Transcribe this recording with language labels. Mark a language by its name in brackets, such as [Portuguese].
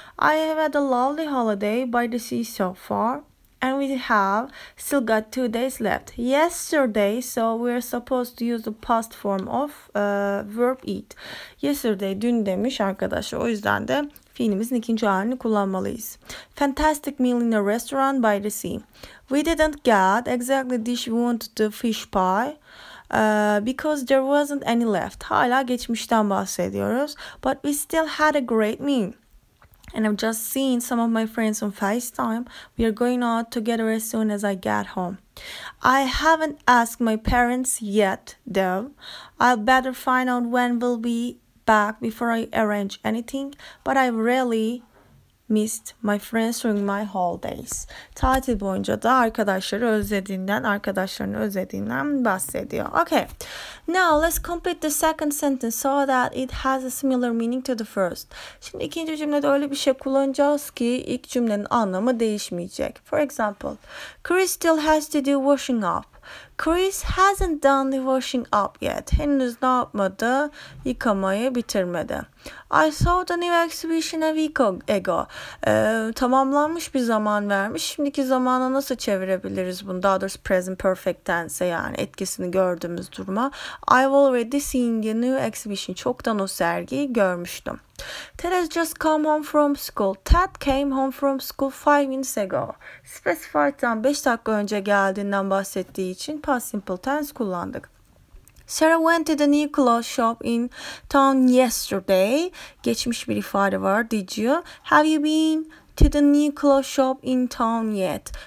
[English] I have had a lovely holiday by the sea so far, and we have still got 2 days left. Yesterday, so we're supposed to use the past form of verb eat. [Turkish] Yesterday, dün demiş arkadaşlar. O yüzden de fiilimizin ikinci halini kullanmalıyız. [English] Fantastic meal in a restaurant by the sea. We didn't get exactly the dish we wanted, the fish pie. Because there wasn't any left. [Turkish] Hala geçmişten bahsediyoruz. [English] But we still had a great meal. And I've just seen some of my friends on FaceTime. We are going out together as soon as I get home. I haven't asked my parents yet, though. I'll better find out when we'll be back before I arrange anything. But I really missed my friends during my holidays. [Turkish] Tatil boyunca da arkadaşları özlediğinden, arkadaşlarını özlediğinden bahsediyor. [English] Okay. Now let's complete the second sentence so that it has a similar meaning to the first. [Turkish] Şimdi ikinci cümlede öyle bir şey kullanacağız ki ilk cümlenin anlamı değişmeyecek. [English] For example, Chris still has to do washing up. Chris hasn't done the washing up yet. [Turkish] Henüz ne yapmadı? Yıkamayı bitirmedi. [English] I saw the new exhibition a week ago. [Turkish] Tamamlanmış bir zaman vermiş. Şimdiki zamana nasıl çevirebiliriz bunu? Daha doğrusu present perfect tense, yani etkisini gördüğümüz duruma. [English] I've already seen the new exhibition. [Turkish] Çoktan o sergiyi görmüştüm. [English] Ted has just come home from school. Ted came home from school 5 minutes ago. Specified time, [Turkish] 5 dakika önce geldiğinden bahsettiği için past simple tense kullandık. [English] Sarah went to the new clothes shop in town yesterday. [Turkish] Geçmiş bir ifade var. [English] Did you? Have you been to the new clothes shop in town yet?